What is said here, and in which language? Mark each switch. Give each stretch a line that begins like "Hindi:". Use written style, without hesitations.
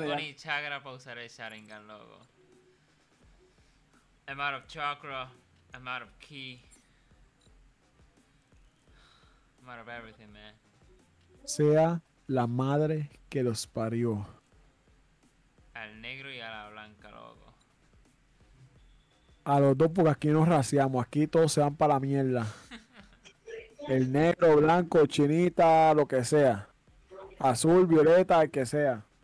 Spanish: No tengo ni chakra para usar el Sharingan, loco.
English: I'm out of chakra, I'm out of ki, I'm out of everything, man.
Spanish: Sea la madre que los parió. Al negro y a la blanca, loco. A los dos, porque aquí nos raciamos, aquí todos se van para la mierda. El negro, blanco, chinita, lo que sea. Azul, violeta, el que sea.